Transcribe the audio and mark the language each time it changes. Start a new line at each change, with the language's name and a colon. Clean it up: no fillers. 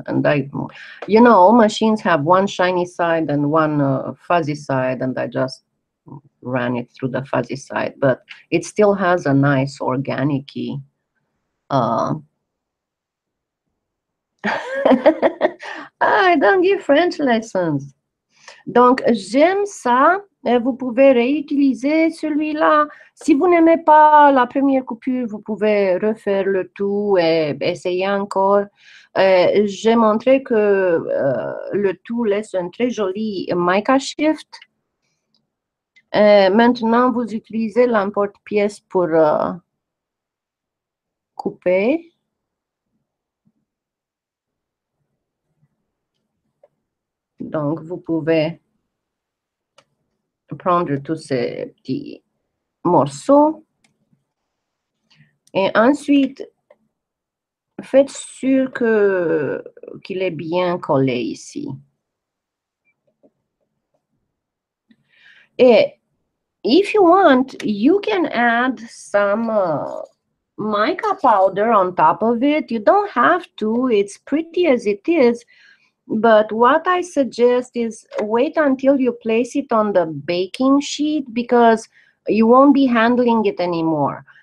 English: And I, you know, all machines have one shiny side and one fuzzy side, and I just ran it through the fuzzy side, but it still has a nice organic-y I don't give French lessons.
French: Donc j'aime ça. Vous pouvez réutiliser celui-là. Si vous n'aimez pas la première coupure, vous pouvez refaire le tout et essayer encore. J'ai montré que le tout laisse un très joli mica shift. Maintenant, vous utilisez l'emporte-pièce pour couper. Donc, vous pouvez prendre tous ces petits morceaux. Et ensuite, faites sûr qu'il est bien collé ici. Et
English: if you want, you can add some mica powder on top of it. You don't have to. It's pretty as it is. But what I suggest is wait until you place it on the baking sheet, because you won't be handling it anymore.